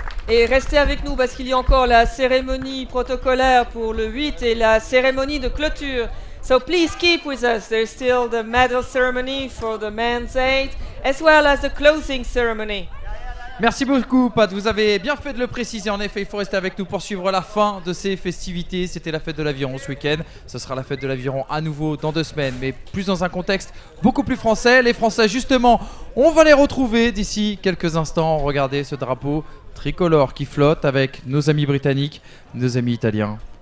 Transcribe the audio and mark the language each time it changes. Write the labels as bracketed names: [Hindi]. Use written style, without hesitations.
[French] Et restez avec nous parce qu'il y a encore la cérémonie protocolaire pour le 8 et la cérémonie de clôture. [English] So please keep with us. There's still the medal ceremony for the men's 8 as well as the closing ceremony. [French] Merci beaucoup, Pat. Vous avez bien fait de le préciser. En effet, il faut rester avec nous pour suivre la fin de ces festivités. C'était la fête de l'aviron ce week-end. Ce sera la fête de l'aviron à nouveau dans deux semaines, mais plus dans un contexte beaucoup plus français. Les Français, justement, on va les retrouver d'ici quelques instants. Regardez ce drapeau tricolore qui flotte avec nos amis britanniques, nos amis italiens.